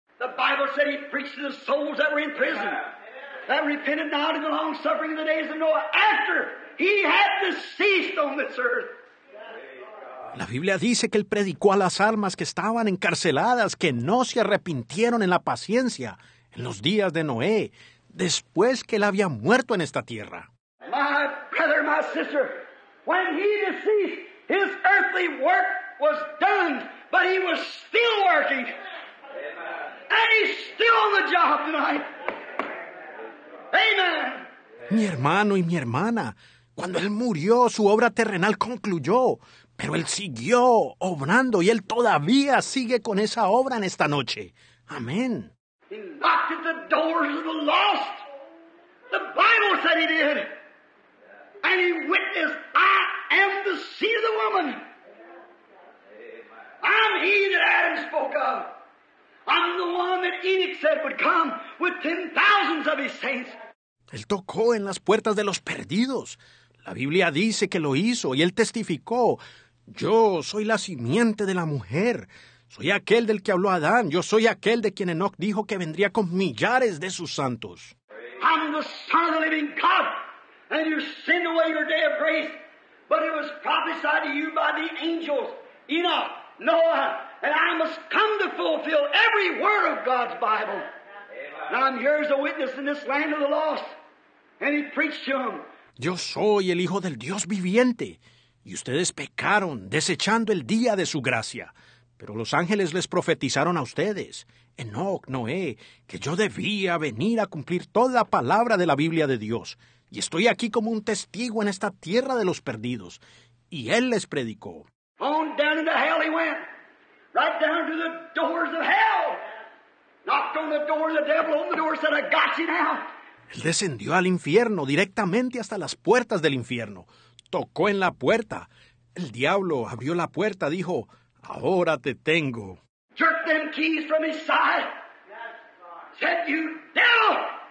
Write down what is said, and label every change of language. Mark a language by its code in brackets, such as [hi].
[en] The Bible said he preached to the souls that were in prison, that repented not in the long suffering of the days of Noah, after he had deceased on this earth. [es] La Biblia dice que él predicó a las almas que estaban encarceladas, que no se arrepintieron en la paciencia, en los días de Noé, después que él había muerto en esta tierra. [en] My brother, my sister, when he deceased, his earthly work was done, but he was still working. And he's still on the job tonight. Amen. [es] Mi hermano y mi hermana, cuando él murió, su obra terrenal concluyó. Pero él siguió obrando y él todavía sigue con esa obra en esta noche. Amén. [en] He knocked at the doors of the lost. The Bible said he did. And he witnessed, I am the seed of the woman. I'm he that Adam spoke of. I'm the one that Enoch said would come with 10,000 of his saints. [es] Él tocó en las puertas de los perdidos. La Biblia dice que lo hizo y él testificó. Yo soy la simiente de la mujer. Soy aquel del que habló Adán. Yo soy aquel de quien Enoch dijo que vendría con millares de sus santos. [en] I'm the son of the living God. And you send away your day of grace. But it was prophesied to you by the angels. Enoch, Noah, and I must come to fulfill every word of God's Bible. Now I'm here as a witness in this land of the lost. And he preached to them. [es] Yo soy el hijo del Dios viviente. Y ustedes pecaron, desechando el día de su gracia. Pero los ángeles les profetizaron a ustedes, Enoch, Noé, que yo debía venir a cumplir toda la palabra de la Biblia de Dios. Y estoy aquí como un testigo en esta tierra de los perdidos. Y él les predicó. [en] On down into hell he went. Right down to the doors of hell. Knocked on the door, the devil opened the door and said, I got you now. [es] Él descendió al infierno, directamente hasta las puertas del infierno. Tocó en la puerta. El diablo abrió la puerta, dijo, ahora te tengo. [en] Jerked them keys from his side. Said, you devil.